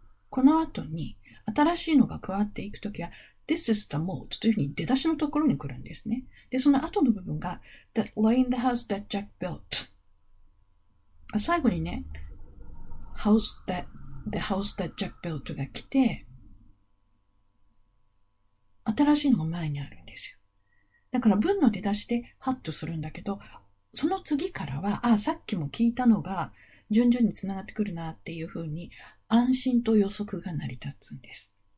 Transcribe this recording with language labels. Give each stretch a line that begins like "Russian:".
Japanese: この後に、新しいのが加わっていくときは、
English: This is the moat
Japanese: というふうに出だしのところに来るんですね。で、その後の部分が
English: That lay in the house that Jack built。
Japanese: 最後にね
English: House that The house that Jack built
Japanese: が来て、新しいのが前にあるんですよ。だから文の出だしでハッとするんだけど、その次からは、あ、さっきも聞いたのが順々につながってくるなっていうふうに安心と予測が成り立つんです。